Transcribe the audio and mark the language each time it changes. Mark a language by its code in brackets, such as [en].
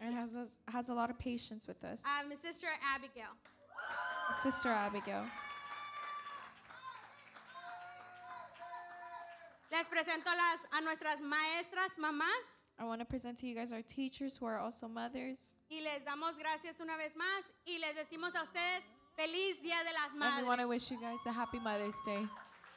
[en] And has a lot of patience with us. Sister Abigail. Sister Abigail. [es] Les presento a nuestras maestras, mamás. [en] I want to present to you guys our teachers who are also mothers. [es] Y les damos gracias una vez más. Y les decimos a ustedes, Feliz Día de las Madres. [en] And we want to wish you guys a happy Mother's Day.